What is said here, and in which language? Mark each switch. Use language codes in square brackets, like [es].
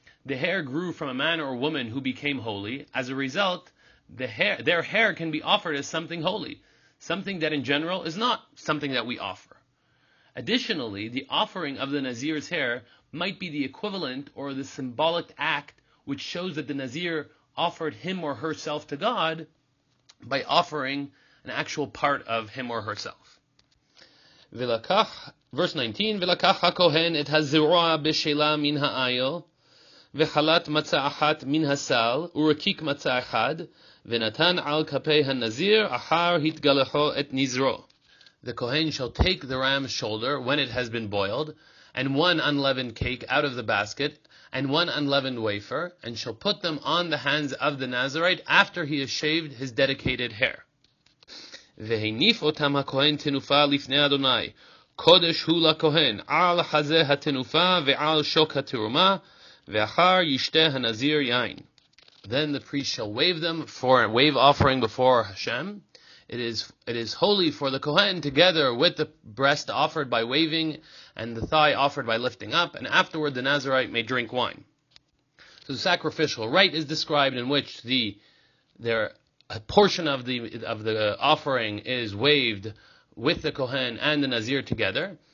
[en] The hair grew from a man or woman who became holy. As a result, their hair can be offered as something holy, something that in general is not something that we offer. Additionally, the offering of the Nazir's hair might be the equivalent or the symbolic act which shows that the Nazir offered him or herself to God by offering an actual part of him or herself. [he] ולקח, [en] verse 19, [he] ולקח הכהן את הזרוע בשלה מן העיל, וחלת מצה אחת מן הסל, ורקיק מצה אחד, ונתן על כפי הנזיר אחר התגלחו את נזרו. [en] The Kohen shall take the ram's shoulder when it has been boiled, and one unleavened cake out of the basket, and one unleavened wafer, and shall put them on the hands of the Nazirite after he has shaved his dedicated hair. [he] והניף אותם הכהן תנופה לפני אדוני, קודש הוא לכהן, על חזה התנופה ועל שוק התרומה, ואחר ישתה הנזיר יין. [en] Then the priest shall wave them for a wave offering before Hashem. It is holy for the Kohen together with the breast offered by waving and the thigh offered by lifting up, and afterward the Nazirite may drink wine. So the sacrificial rite is described in which a portion of the offering is waved with the Kohen and the Nazir together.